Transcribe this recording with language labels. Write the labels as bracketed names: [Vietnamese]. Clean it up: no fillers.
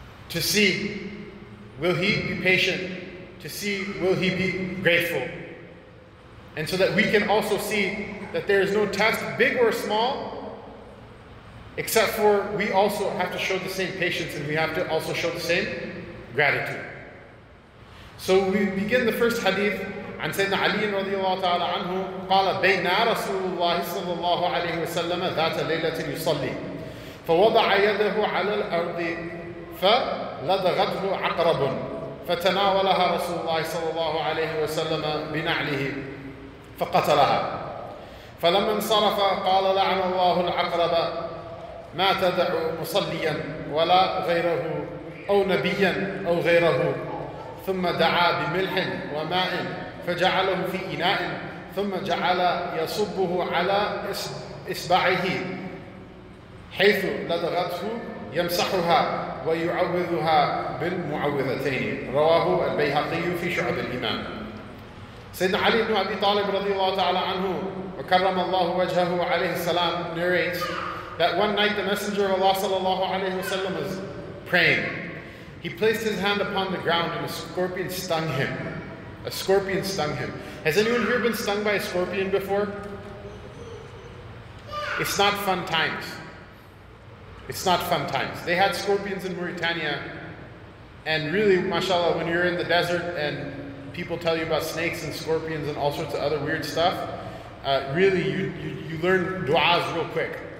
[English] To see, will he be patient? To see, will he be grateful? And so that we can also see that there is no test, big or small, except for we also have to show the same patience and we have to also show the same gratitude. So we begin the first hadith [Arabic] عن سيدنا علي رضي الله تعالى عنه قال بينا رسول الله صلى الله عليه وسلم ذات ليلة يصلي فوضع يده على الأرض فلدغته عقرب فتناولها رسول الله صلى الله عليه وسلم بنعله فقتلها فلما انصرف قال لعن الله العقرب ما تدع مصليا ولا غيره أو نبيا أو غيره ثم دعا بملح وماء فجعله في إناء ثم جعل يصبه على إصبعه حيث لدغته يمسحها ويعوذها بالمعوذتين رواه البيهقي في شعب الإيمان. سيدنا علي بن أبي طالب رضي الله تعالى عنه وكرم الله وجهه عليه السلام [English] narrates that one night the Messenger of Allah [Arabic] صلى الله عليه وسلم [English] was praying. He placed his hand upon the ground and a scorpion stung him. A scorpion stung him. Has anyone here been stung by a scorpion before? It's not fun times. It's not fun times. They had scorpions in Mauritania. And really, mashallah, when you're in the desert and people tell you about snakes and scorpions and all sorts of other weird stuff, really, you learn du'as real quick.